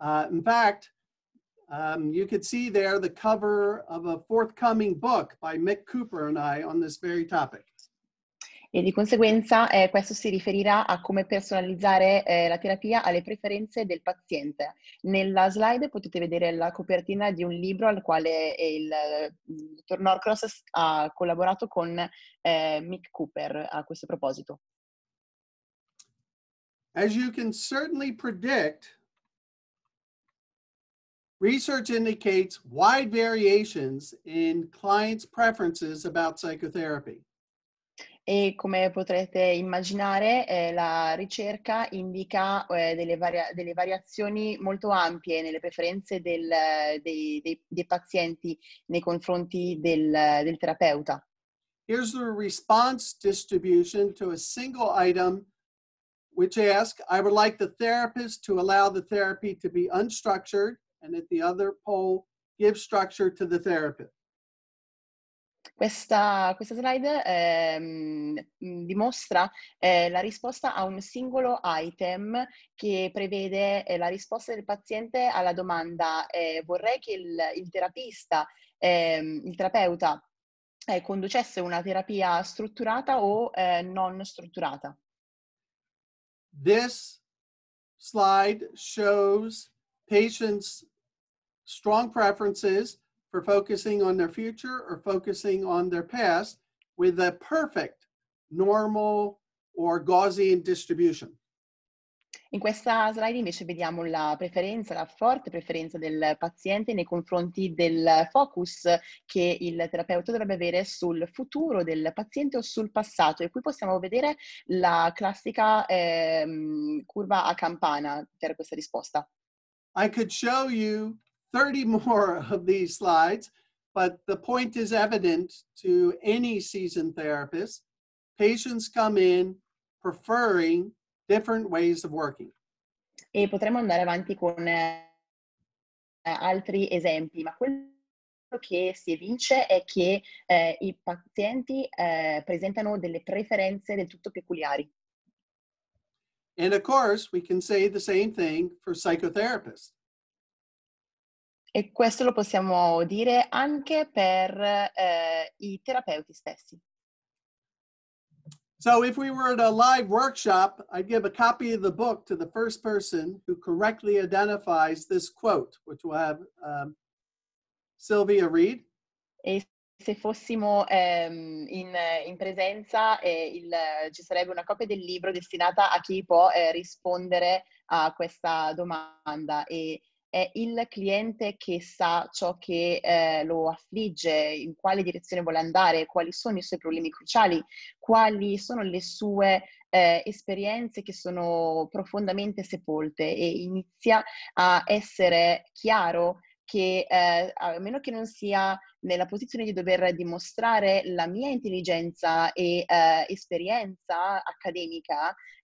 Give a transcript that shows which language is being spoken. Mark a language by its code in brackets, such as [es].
[en] In fact, you could see there the cover of a forthcoming book by Mick Cooper and I on this very topic. [it] E di conseguenza questo si riferirà a come personalizzare la terapia alle preferenze del paziente. Nella slide potete vedere la copertina di un libro al quale il dottor Norcross ha collaborato con Mick Cooper a questo proposito. [en] As you can certainly predict, research indicates wide variations in clients' preferences about psychotherapy. [it] E come potrete immaginare, la ricerca indica delle variazioni molto ampie nelle preferenze dei pazienti nei confronti del terapeuta. [en] Here's the response distribution to a single item, which asks, I would like the therapist to allow the therapy to be unstructured, and at the other pole, give structure to the therapist. [it] Questa slide dimostra la risposta a un singolo item che prevede la risposta del paziente alla domanda vorrei che il terapeuta conducesse una terapia strutturata o non strutturata. [en] This slide shows patients' strong preferences for focusing on their future or focusing on their past with a perfect normal or Gaussian distribution. [it] In questa slide invece vediamo la forte preferenza del paziente nei confronti del focus che il terapeuta dovrebbe avere sul futuro del paziente o sul passato. E qui possiamo vedere la classica curva a campana per questa risposta. [en] I could show you 30 more of these slides, but the point is evident to any seasoned therapist. Patients come in preferring different ways of working. [it] E potremmo andare avanti con altri esempi, ma quello che si evince è che i pazienti presentano delle preferenze del tutto peculiari. [en] And of course, we can say the same thing for psychotherapists. [it] E questo lo possiamo dire anche per i terapeuti stessi. [en] So if we were at a live workshop, I'd give a copy of the book to the first person who correctly identifies this quote, which we'll have Sylvia read. [it] E se fossimo in presenza, ci sarebbe una copia del libro destinata a chi può rispondere a questa domanda. E è il cliente che sa ciò che lo affligge, in quale direzione vuole andare, quali sono i suoi problemi cruciali, quali sono le sue esperienze che sono profondamente sepolte e inizia a essere chiaro che a meno che non sia nella posizione di dover dimostrare la mia intelligenza e esperienza accademica,